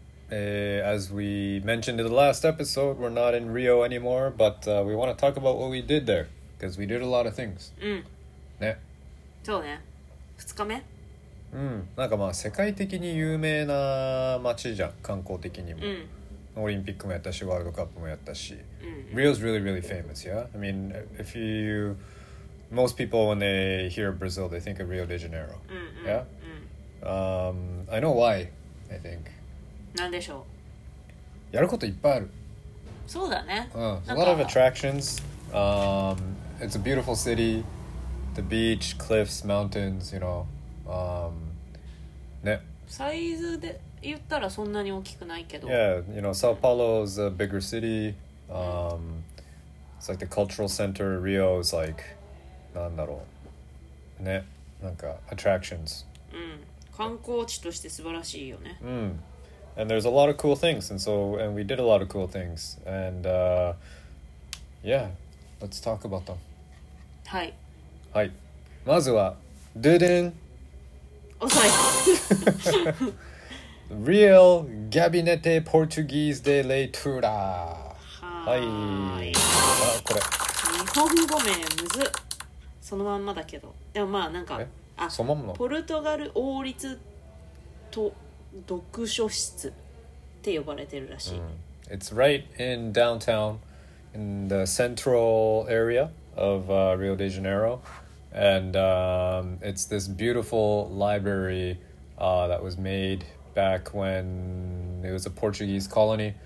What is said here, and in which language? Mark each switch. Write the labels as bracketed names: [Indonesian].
[English] As we mentioned in the last episode, we're not in Rio anymore, but we want to talk about what we did there, because we did a lot of things. [Japanese] うん。ね。そうね。2日目？うん。なんかまあ世界的に有名な街じゃん、観光的にも。うん。オリンピックもやったし、ワールドカップもやったし。うん。 [English] Rio's really, really famous, yeah? I mean, if you... Most people, when they hear Brazil, they think of Rio de Janeiro. [Japanese] うんうん。 [English] Yeah? [Japanese] うん。 [English] I know why, I think. [Japanese] なんでしょう。やることいっぱいある。そうだね。 [English] うん。A lot of attractions. It's a beautiful city. The beach, cliffs, mountains, you know. ね。 [Japanese] サイズで言ったらそんなに大きくないけど。 [English] Yeah, you know, São Paulo is a bigger city. It's like the cultural center. Rio is like, [Japanese] なんだろう。ね。なんか attractions. うん。観光地として素晴らしいよね。うん。 [English] And there's a lot of cool things, and so and we did a lot of cool things, and yeah, let's talk about them. [Japanese] はい。はい。まずは、ドゥドゥン。遅い。 [Portuguese] Real Gabinete Portuguese de Leitura. [Japanese] はい。あ、これ。日本語名むず。そのまんまだけど、でもまあなんか、そのまんま。ポルトガル王立と。読書室って呼ばれてるらしい。 Mm. [English] It's right in downtown, in the central area of Rio de Janeiro, and it's this beautiful library that was made back when it was a Portuguese colony.